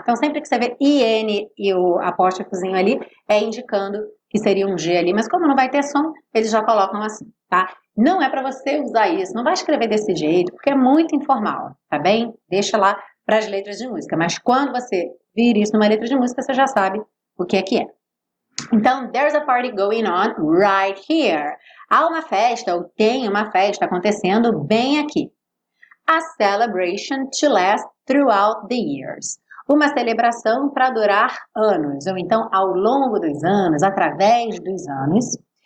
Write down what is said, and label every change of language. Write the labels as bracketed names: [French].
[Portuguese] Então, sempre que você vê IN e o apóstrofozinho ali, é indicando que seria um G ali. Mas, como não vai ter som, eles já colocam assim, tá? Não é para você usar isso. Não vai escrever desse jeito, porque é muito informal, tá bem? Deixa lá para as letras de música. Mas, quando você vir isso numa letra de música, você já sabe o que é. [English] Então, there's a party going on right here. [Portuguese] Há uma festa, ou tem uma festa acontecendo bem aqui. [English] A celebration to last throughout the years. [Portuguese] Uma celebração para durar anos, ou então ao longo dos anos, através dos anos.